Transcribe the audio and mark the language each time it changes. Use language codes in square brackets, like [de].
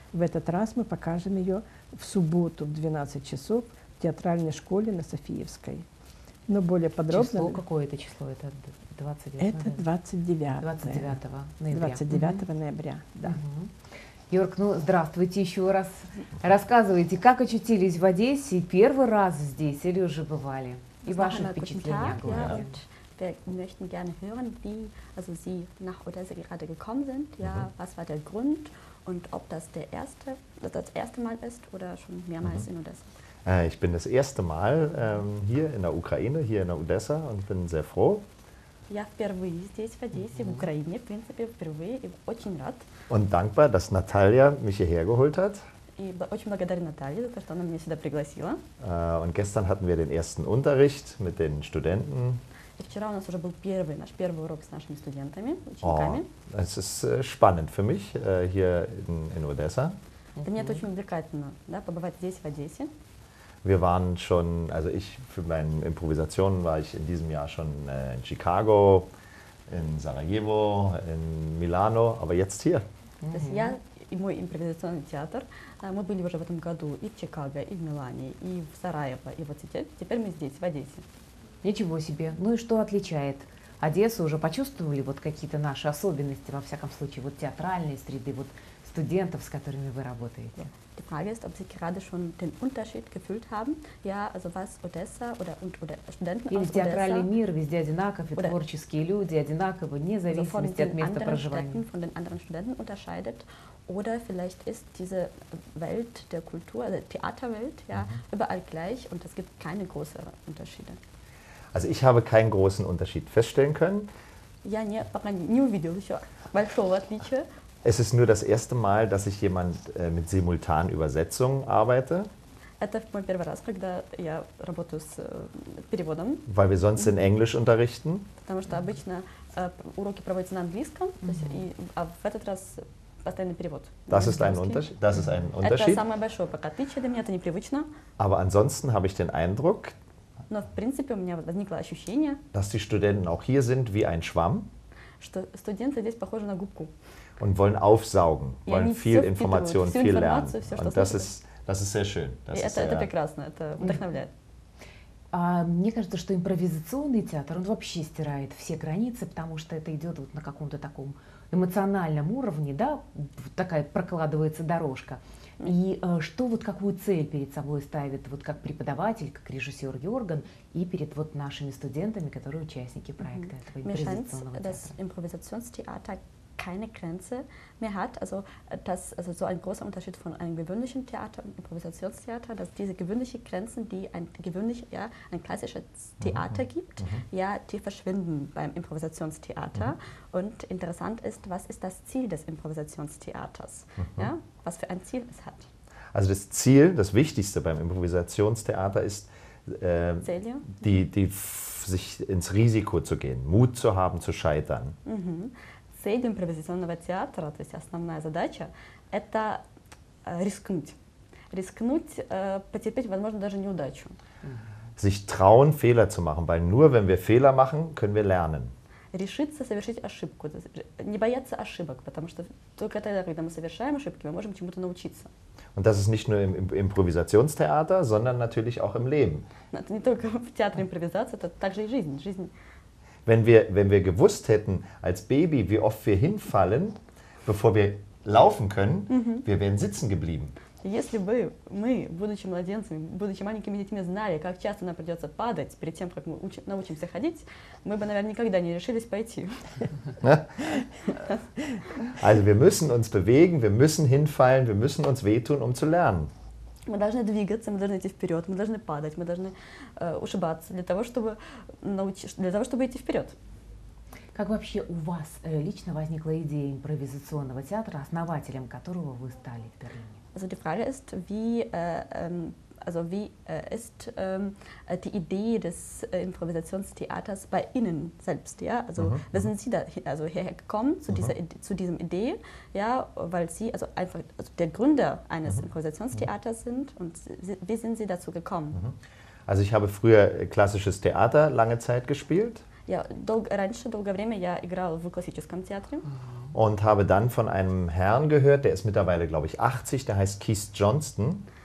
[ru] В этот раз мы покажем ее в субботу в 12 часов в театральной школе на Софиевской. Но более подробно... Число? Какое это число? Это 29? Это 29. 29 ноября. 29 ноября, да. Йорк, ну здравствуйте еще раз. Рассказывайте, как очутились в Одессе, первый раз здесь или уже бывали? [de] Wir möchten gerne hören, wie also Sie nach Odessa gerade gekommen sind. Ja, was war der Grund und ob das der erste, das erste Mal ist oder schon mehrmals in Odessa? Ich bin das erste Mal hier in der Ukraine, hier in der Odessa und bin sehr froh. [ru] Я впервые здесь, в Одессе, в Украине, в принципе, впервые и очень рад. [de] Und dankbar, dass Natalia mich hierher geholt hat. [ru] И очень благодарен Наталье за то, что она меня сюда пригласила. [de] Und gestern hatten wir den ersten Unterricht mit den Studenten. [ru] И вчера у нас уже был наш первый урок с нашими студентами, учениками. [de] Es ist spannend für mich hier in Odessa. [ru] Для меня это очень увлекательно, да, побывать здесь, в Одессе. [de] Wir waren schon, also ich für meine Improvisationen war ich in diesem Jahr schon in Chicago, in Sarajevo, in Milano, aber jetzt hier. [ru] И мой импровизационный театр, мы были уже в этом году и в Чикаго, и в Милане, и в Сараево, и вот теперь мы здесь, в Одессе. Ничего себе! Ну и что отличает Одессу? Уже почувствовали вот какие-то наши особенности, во всяком случае, вот театральные среды, вот студентов, с которыми вы работаете? [de] Die Frage ist, ob Sie gerade schon den Unterschied gefühlt haben. Ja, also was Odessa oder und oder Studenten aus Odessa. [ru] Весь театральный мир везде одинаков, и творческие люди одинаковы, вне зависимости от места проживания. [de] Von den anderen Studenten unterscheidet. Oder vielleicht ist diese Welt der Kultur, also Theaterwelt, ja, mhm. überall gleich und es gibt keine großen Unterschiede. Also ich habe keinen großen Unterschied feststellen können. Ja, nie, aber ein new video, ich habe schon was nicht. Es ist nur das erste Mal, dass ich jemand mit simultanen Übersetzungen arbeite. [ru] Это мой первый раз, когда я работаю с переводом. [de] Weil wir sonst in Englisch unterrichten. [ru] Потому что обычно уроки проводятся на английском, а в этот раз [de] Das ist ein Unterschied. [ru] Это самое большое пока. Отличие для меня, это непривычно. [de] Aber ansonsten habe ich den Eindruck, [ru] Но в принципе у меня возникло ощущение, [de] dass die Studenten auch hier sind wie ein Schwamm, [ru] что студенты здесь похожи на губку. [de] Und wollen aufsaugen, wollen viel Information, viel lernen. Und das ist sehr schön. [ru] Это прекрасно, это вдохновляет. Мне кажется, что импровизационный театр, он вообще стирает все границы, потому что это идет вот на каком-то таком эмоциональном уровне, да, вот такая прокладывается дорожка. И что вот какую цель перед собой ставит вот как преподаватель, как режиссер Йорган и перед вот нашими студентами, которые участники проекта этого импровизационного театра? [de] Das Improvisationstheater keine Grenze mehr hat, also das also so ein großer Unterschied von einem gewöhnlichen Theater und Improvisationstheater, dass diese gewöhnlichen Grenzen, die ein gewöhnlich ja ein klassisches Theater gibt, ja die verschwinden beim Improvisationstheater. Und interessant ist, was ist das Ziel des Improvisationstheaters? Ja, was für ein Ziel es hat? Also das Ziel, das Wichtigste beim Improvisationstheater ist sich ins Risiko zu gehen, Mut zu haben, zu scheitern. [ru] Цель импровизационного театра, то есть основная задача, это рискнуть, потерпеть, возможно, даже неудачу. [de] Sich trauen, Fehler zu machen, weil nur wenn wir Fehler machen, können wir lernen. [ru] Решиться совершить ошибку, не бояться ошибок, потому что только тогда, когда мы совершаем ошибки, мы можем чему-то научиться. [de] Und das ist nicht nur im Improvisationstheater, sondern natürlich auch im Leben. [ru] Это не только в театре импровизации, это также и жизнь. [de] Wenn wir gewusst hätten als Baby, wie oft wir hinfallen, bevor wir laufen können, wir wären sitzen geblieben. [ru] Если бы мы, будучи младенцами, будучи маленькими детьми, знали, как часто нам придется падать, перед тем, как мы научимся ходить, мы бы, наверное, никогда не решились пойти. [de] Also wir müssen uns bewegen, wir müssen hinfallen, wir müssen uns wehtun, um zu lernen. [ru] Мы должны двигаться, мы должны идти вперед, мы должны падать, мы должны ушибаться для того, чтобы идти вперед. Как вообще у вас лично возникла идея импровизационного театра, основателем которого вы стали в Берлине? [de] Also die Frage ist, die Idee des Improvisationstheaters bei Ihnen selbst, ja? Also wie sind Sie da hierher gekommen zu diesem Idee, ja? Weil Sie also einfach also der Gründer eines Improvisationstheaters sind und wie sind Sie dazu gekommen? Also ich habe früher klassisches Theater lange Zeit gespielt. [ru] Ja, долгое время я играл в классическом театре. [de] Und habe dann von einem Herrn gehört, der ist mittlerweile, glaube ich, 80, der heißt Keith Johnston.